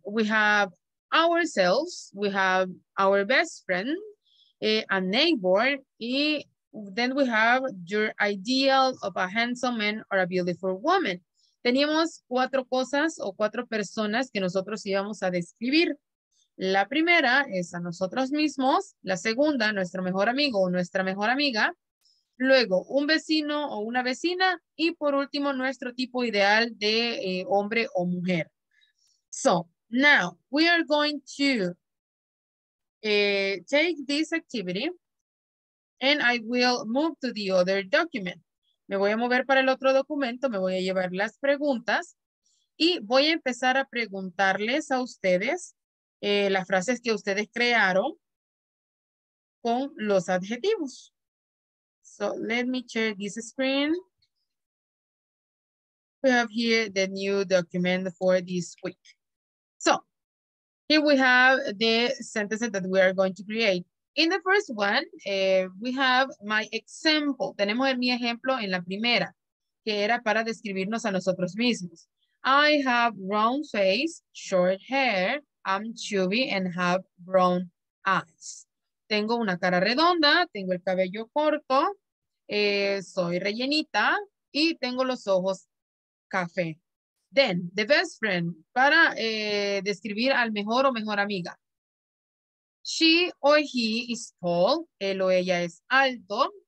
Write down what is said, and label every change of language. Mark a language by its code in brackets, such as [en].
[en] We have ourselves, we have our best friend, a neighbor, and then we have your ideal of a handsome man or a beautiful woman. [es] Teníamos 4 cosas o 4 personas que nosotros íbamos a describir. La primera es a nosotros mismos, la segunda, nuestro mejor amigo o nuestra mejor amiga, luego un vecino o una vecina, y por último nuestro tipo ideal de hombre o mujer. [en] So, now, we are going to take this activity and I will move to the other document. [es] Me voy a mover para el otro documento, me voy a llevar las preguntas y voy a empezar a preguntarles a ustedes las frases que ustedes crearon con los adjetivos. [en] So, let me share this screen. We have here the new document for this week. So, here we have the sentences that we are going to create. In the first one, we have my example. [es] Tenemos mi ejemplo en la primera, que era para describirnos a nosotros mismos. [en] I have round face, short hair, I'm chubby and have brown eyes. [es] Tengo una cara redonda, tengo el cabello corto, soy rellenita y tengo los ojos café. [en] Then, the best friend, [es] para describir al mejor o mejor amiga. [en] She or he is tall. [es] Él o ella es alto.